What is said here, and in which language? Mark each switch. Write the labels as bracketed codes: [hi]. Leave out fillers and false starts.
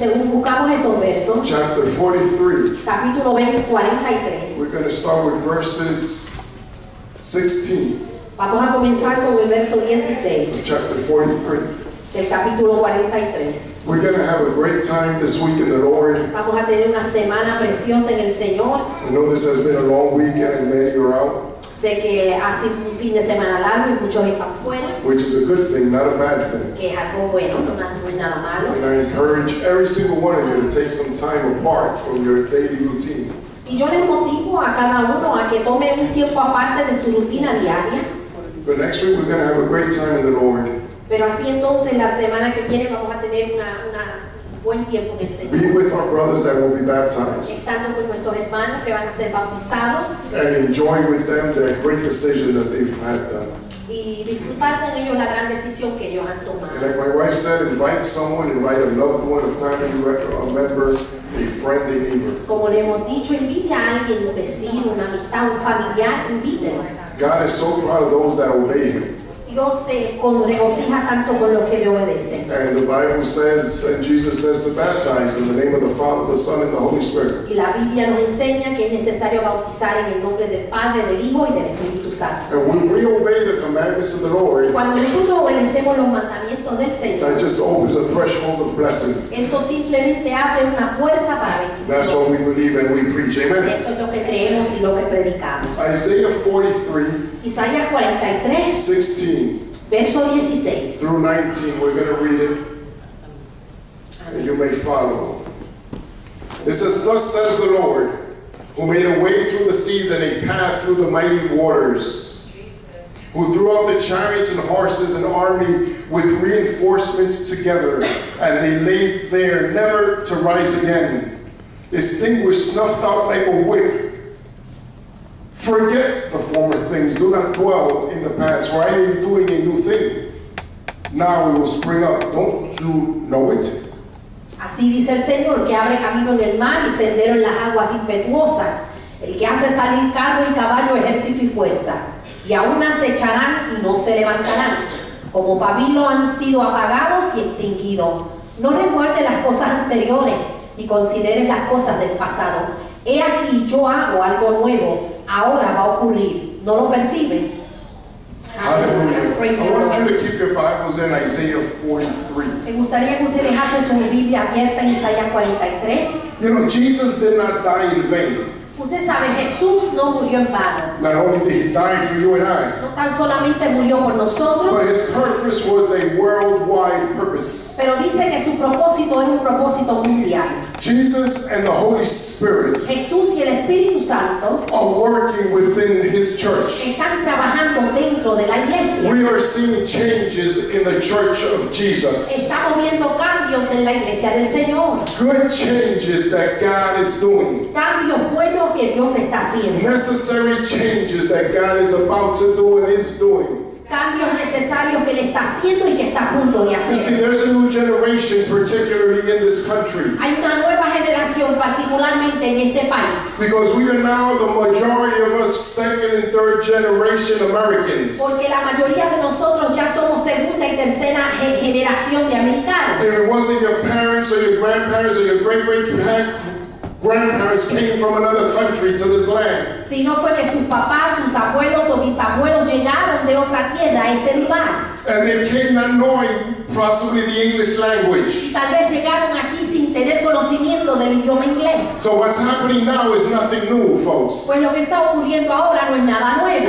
[en] Chapter 43. [es] Capítulo 43. [en] We're going to start with verses 16. [es] Vamos a comenzar con el verso 16. [en] Chapter 43. [es] Del capítulo 43. [en] We're going to have a great time this week in the Lord. [es] Vamos a tener una semana preciosa en el Señor. [en] I know this has been a long weekend and many are out. [es] Sé que ha sido un fin de semana largo y muchos están fuera. [en] Which is a good thing, not a bad thing. [es] Que es algo bueno, no es nada malo. [en] And I encourage every single one of you to take some time apart from your daily routine. [es] Y yo les motivo a cada uno a que tome un tiempo aparte de su rutina diaria. [en] But next week we're going to have a great time in the Lord. [es] Pero así entonces la semana que viene vamos a tener un buen tiempo en el Señor. [en] Be with our brothers that will be baptized. [es] Estando con nuestros hermanos que van a ser bautizados. [en] And enjoy with them the great decision that they've had done. [es] Y disfrutar con ellos la gran decisión que ellos han tomado. [en] And like my wife said, invite someone, invite a loved one, a family member, a friend, a neighbor. [es] Como le hemos dicho, invite a alguien, un vecino, una amistad, un familiar, invítenos. [en] God is so proud of those that obey Him. [es] Dios se regocija tanto con los que le obedecen. [en] And the Bible says, and Jesus says to baptize in the name of the Father, the Son, and the Holy Spirit. [es] Y la Biblia nos enseña que es necesario bautizar en el nombre del Padre, del Hijo, y del Espíritu Santo. [en] And when we obey the commandments of the Lord, [es] cuando nosotros obedecemos los mandamientos del Señor, [en] that just opens a threshold of blessing. [es] Eso simplemente abre una puerta para bendición. [en] That's what we believe and we preach. Amen. [es] Eso es lo que creemos y lo que predicamos. [en] Isaiah 43. [es] Isaías 43, 16, verso 16, [en] through 19, we're going to read it, and you may follow. It says, thus says the Lord, who made a way through the seas and a path through the mighty waters, who threw out the chariots and horses and army with reinforcements together, and they lay there never to rise again. Extinguished, snuffed out like a wick. Forget the former things, do not dwell in the past, for I am doing a new thing. Now it will spring up, don't you know it? [es] Así dice el Señor, que abre camino en el mar y sendero en las aguas impetuosas, el que hace salir carro y caballo, ejército y fuerza, y aún acecharán y no se levantarán, como pabilo han sido apagados y extinguidos. No recuerde las cosas anteriores, ni considere las cosas del pasado. He aquí, yo hago algo nuevo. Ahora va a ocurrir. ¿No lo percibes? [en] Hallelujah. I want you to keep your Bibles in Isaiah 43. [es] Me gustaría que ustedes hagan su Biblia abierta en Isaías 43. [en] You know, Jesus did not die in vain. [es] Usted sabe, Jesús no murió en vano. [en] Not only did He die for you and I. [es] No tan solamente murió por nosotros. [en] But His purpose was a worldwide purpose. [es] Pero dice que su propósito es un propósito mundial. [en] Jesus and the Holy Spirit. [es] Jesús y el Espíritu Santo. [en] Are working within His church. [es] Están trabajando dentro de la iglesia. [en] We are seeing changes in the church of Jesus. [es] Estamos viendo cambios en la iglesia del Señor. [en] Good changes that God is doing. [es] Cambios buenos que Dios está haciendo. [en] Necessary changes that God is about to do and is doing. [es] Cambios necesarios que le está haciendo y que está a punto de hacer. [en] See, there's a new generation, particularly in this country. [es] Hay una nueva generación, particularmente en este país. [en] Because we are now the majority of us second and third generation Americans. [es] Porque la mayoría de nosotros ya somos segunda y tercera generación de americanos. [en] If it wasn't your parents or your grandparents or your great-great-grandparents came from another country to this land. [es] Si no fue que sus papás, sus abuelos o bisabuelos llegaron de otra tierra a este lugar. [en] And they came not knowing possibly the English language. [es] Y tal vez llegaron aquí sin tener conocimiento del idioma inglés. [en] So what's happening now is nothing new, folks. [es] Pues lo que está ocurriendo ahora no es nada nuevo.